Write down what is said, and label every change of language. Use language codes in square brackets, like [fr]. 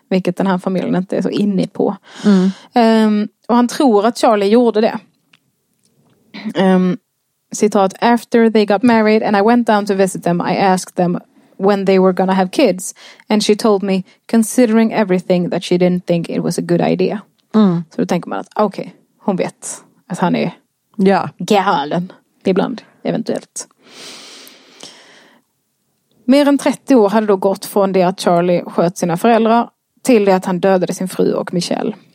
[sv] Vilket den här familjen inte är så inne på. Mm. Och han tror att Charlie gjorde det. [en] Citat, after they got married and I went down to visit them, I asked them when they were gonna have kids. And she told me, considering everything, that she didn't think it was a good idea. Mm. [sv] Så då tänker man att, okej, hon vet att han är galen ibland, eventuellt. Mer än 30 år hade då gått från det att Charlie sköt sina föräldrar till det att han dödade sin fru och Michelle.